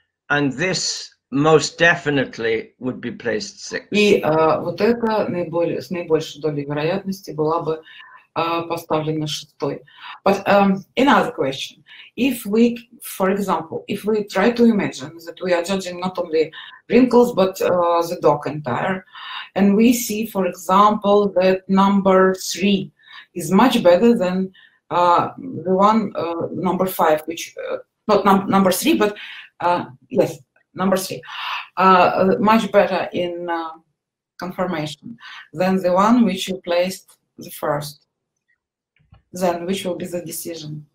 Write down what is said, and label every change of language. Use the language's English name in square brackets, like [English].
[English] And this most definitely would be placed sixth. [Russian] И вот это с наибольшей долей вероятности была бы поставлена шестой. [English] But another question. If we, for example, if we try to imagine that we are judging not only wrinkles, but the dog entire, and we see, for example, that number three is much better than the one, number five, which, not number three, but yes, number three, much better in conformation than the one which you placed the first, then which will be the decision?